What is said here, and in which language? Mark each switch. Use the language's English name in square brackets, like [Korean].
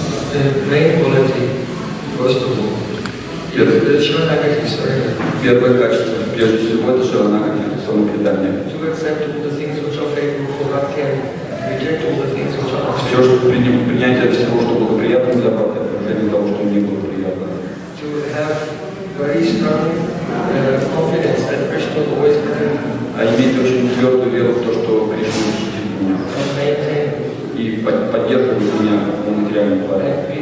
[English] The main quality, first of all, is the Sharanagati, sorry. [Russian] Первое качество, прежде всего, это Sharanagati, самопредание. [English] To accept all the things which are favorable for that can reject all the things which are unfavorable. [Russian] Все, что принятие всего, что благоприятно для Бхакти, отражение того, что не благоприятно. [English] To have very strong confidence that Krishna will always be there. [Russian] А иметь очень твердую веру в то, что Кришна защитит меня. И поддерживает меня в материальном плане.